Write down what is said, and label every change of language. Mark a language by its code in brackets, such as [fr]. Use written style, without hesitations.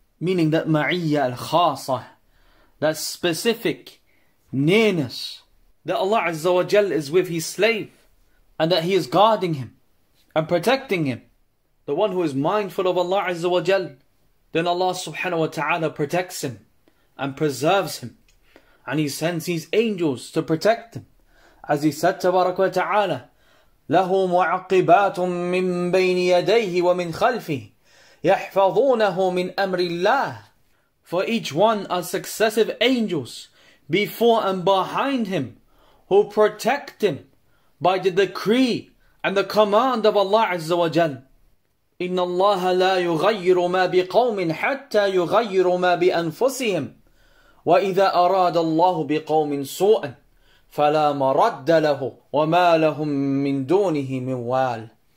[en] Meaning that ma'iyya al-khasa, that specific nearness, that Allah Azza wa Jal is with His slave and that He is guarding him and protecting him. The one who is mindful of Allah Azza wa Jal, then Allah subhanahu wa ta'ala protects him and preserves him, and He sends His angels to protect them. As He said, [ar] tabarak wa ta'ala, لَهُ مُعَقِّبَاتٌ مِّن بَيْنِ يَدَيْهِ وَمِنْ خَلْفِهِ يَحْفَظُونَهُ مِنْ أَمْرِ اللَّهِ. [en] For each one are successive angels before and behind him who protect him by the decree and the command of Allah Azza wa Jal. [ar] إِنَّ اللَّهَ لَا يُغَيِّرُ مَا بِقَوْمٍ حَتَّى يُغَيِّرُ مَا بِأَنفُسِهِمْ وَإِذَا أَرَادَ اللَّهُ بِقَوْمٍ سُوءًا فَلَا مَرَدَّ لَهُ وَمَا لَهُمْ مِن دُونِهِ مِن وَالٍ.